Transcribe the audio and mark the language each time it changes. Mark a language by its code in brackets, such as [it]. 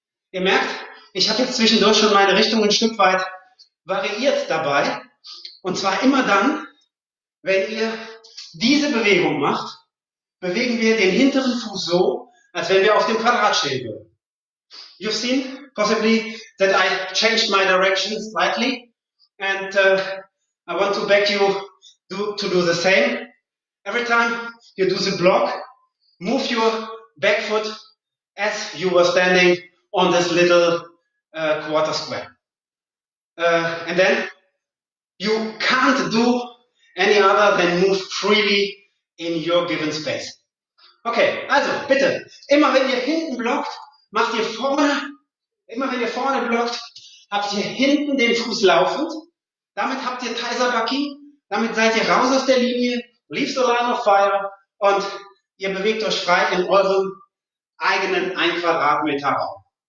[de] Ihr merkt, ich habe jetzt zwischendurch schon meine Richtung ein Stück weit variiert dabei. Und zwar immer dann, wenn ihr diese Bewegung macht, bewegen wir den hinteren Fuß so, als wenn wir auf dem Quadrat stehen würden. [en] You've seen possibly that I changed my direction slightly and I want to beg you to do the same. Every time you do the block, move your back foot as you were standing on this little quarter square. And then you can't do any other than move freely in your given space. [de] Okay, also bitte, immer wenn ihr hinten blockt, macht ihr vorne, immer wenn ihr vorne blockt, habt ihr hinten den Fuß laufend. Damit habt ihr Taisabaki, damit seid ihr raus aus der Linie, [en] leave the line of fire [de] und ihr bewegt euch frei in eurem eigenen 1 Quadratmeter Raum.